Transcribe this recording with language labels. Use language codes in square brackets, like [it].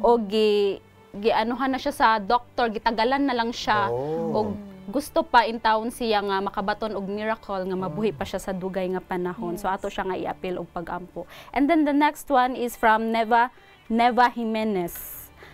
[ceb] o gianuhan na siya sa doctor gitagalan na lang siya oh. og gusto pa in town siya nga makabaton og miracle nga mabuhi pa siya sa dugay nga panahon. [en] Yes. [ceb] So ato siya nga i-appeal og pag-ampo. [en] And then the next one is from Neva Jimenez.